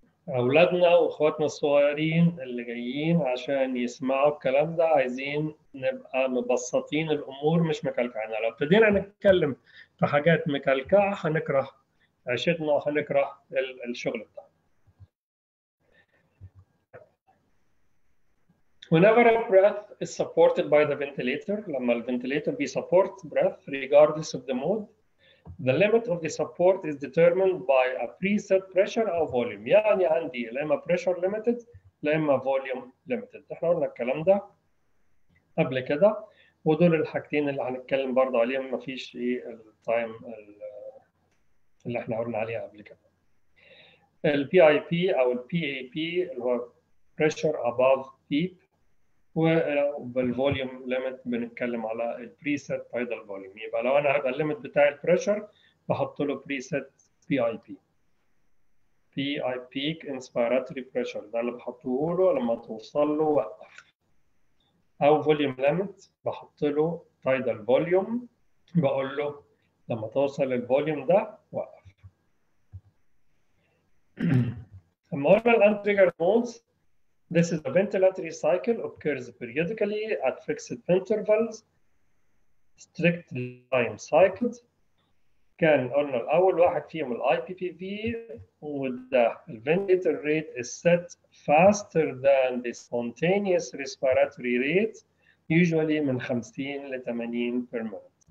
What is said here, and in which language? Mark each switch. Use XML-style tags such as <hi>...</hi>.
<ar>أولادنا وأخواتنا الصغيرين اللي جايين عشان يسمعوا الكلام ده عايزين نبقى مبسطين الأمور مش مكلكعين. لو ابتدينا نتكلم في حاجات مكلكعة هنكره عشتنا وهنكره الشغل بتاعنا.</ar> <en>Whenever a breath is supported by the ventilator, لما الventilator be support breath regardless of the mode, the limit of the support is determined by a preset pressure or volume.</en> <ar>يعني عندي لما pressure limited لما volume limited. احنا قلنا الكلام ده قبل كده ودول الحاجتين اللي هنتكلم برضه عليهم ما فيش ايه التايم اللي احنا قلنا عليها قبل كده. ال PIP او ال PAP اللي هو pressure above peep والفوليوم ليميت بنتكلم على البريسيت تايدل فوليوم. يبقى لو انا هبقى الليميت بتاع البريشر بحط له بريسيت بي اي بي بي اي بيك انسبيراتوري بريشر ده اللي بحطه له لما توصل له وقف، او فوليوم ليميت بحط له تايدل فوليوم بقول له لما توصل الفوليوم ده وقف. اما قلنا الان تريجر مودز،</ar> <en>this is a ventilatory cycle occurs periodically at fixed intervals, strict time cycled.</en> <ar>كان قلنا الأول واحد فيهم الـ IPPV وده الـ</ar> <en>ventilator rate is set faster than the spontaneous respiratory rate usually من 50 ل 80 per minute.</en>